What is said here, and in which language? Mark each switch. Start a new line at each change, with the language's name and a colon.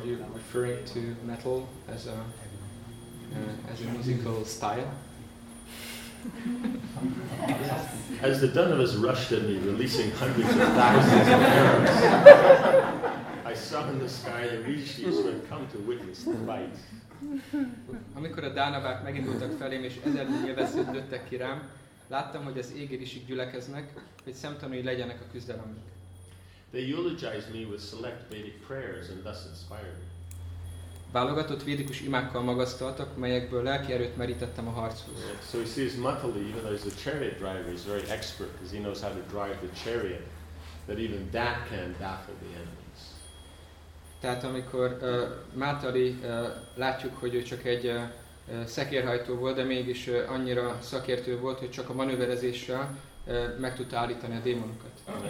English: Are you referring to metal as a musical style? As the Donovans rushed at me, releasing hundreds of thousands of arrows, I saw in the sky the Rishis who had come to witness the fight.
Hungarian: Amikor a Dánavák megindultak felém és ezernyi veszélyt lőttek ki rám, láttam, hogy az égér isik gyülekeznek, hogy szemtanúi legyenek a küzdelemnek.
English: They eulogized me with select Vedic prayers and thus inspired me.
Hungarian: Válogatott védikus imákkal magasztaltak, melyekből lelki erőt merítettem a harchoz.
English: So he sees Mathali, even though he's a chariot driver, he's very expert because he knows how to drive the chariot, that even that can baffle the enemies.
Hungarian: Tehát amikor Mathali látjuk, hogy ő csak egy szekérhajtó volt, de mégis annyira szakértő volt, hogy csak a manőverezéssel meg tudta állítani a démonokat.